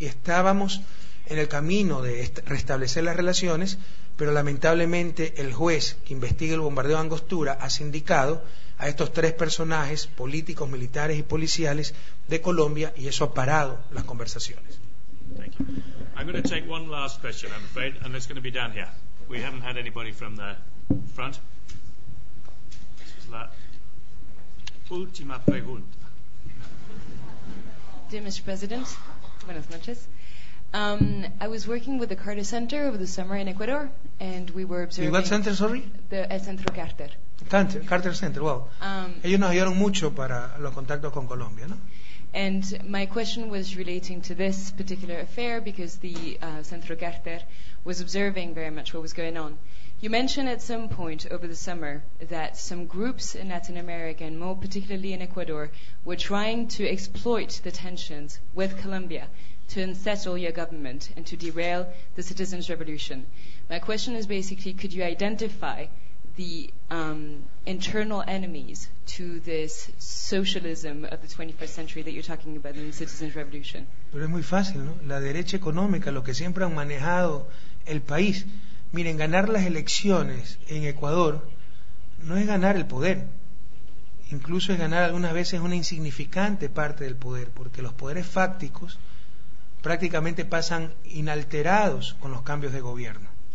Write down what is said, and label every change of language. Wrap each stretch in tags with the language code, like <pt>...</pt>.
<es>Y estábamos en el camino de restablecer las relaciones, pero lamentablemente el juez que investiga el bombardeo de Angostura ha sindicado a estos tres personajes políticos, militares y policiales de Colombia, y eso ha parado las conversaciones.</es> <en>Thank you. I'm going to take one last question, I'm afraid, and it's going to be down here. We haven't had anybody from the front. This is</en> <es>la última pregunta.</es> <en>Dear Mr. President,</en> <es>buenas noches.</es> <en>I was working with the Carter Center over the summer in Ecuador, and we were observing... What center, sorry?</en> <es>El Centro Carter.</es> <en>Carter Center, wow.</en> <es>Ellos nos ayudaron mucho para los contactos con Colombia, ¿no?</es> <en>And my question was relating to this particular affair because the Centro Carter was observing very much what was going on. You mentioned at some point over the summer that some groups in Latin America, and more particularly in Ecuador, were trying to exploit the tensions with Colombia to unsettle your government and to derail the citizens' revolution. My question is basically, could you identify the internal enemies to this socialism of the 21st century that you're talking about in the citizens' revolution?</en> <es>Pero es muy fácil, ¿no? La derecha económica, lo que siempre han manejado el país. Miren, ganar las elecciones en Ecuador no es ganar el poder. Incluso es ganar algunas veces una insignificante parte del poder, porque los poderes fácticos prácticamente pasan inalterados con los cambios de gobierno.</es>